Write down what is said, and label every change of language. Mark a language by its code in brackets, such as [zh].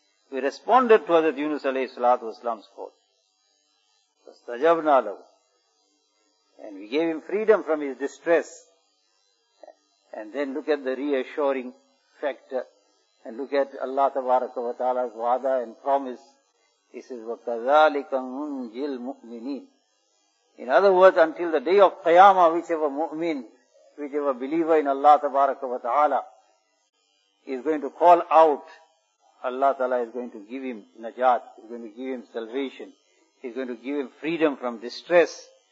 [en] We responded to Hazrat Yunus alayhi salatu wasalam's call. [ar] Fastajabna lahu. [en] and we gave him freedom from his distress. And then look at the reassuring factor, and look at Allah Tabaraka wa Ta'ala's wada and promise. He says, [ar] وَكَذَٰلِكَ مُنْجِي الْمُؤْمِنِينَ. [en] In other words, until the day of Qiyamah, whichever mu'min, whichever believer in Allah Tabaraka wa Ta'ala is going to call out, Allah Ta'ala is going to give him najat, is going to give him salvation, is going to give him freedom from distress.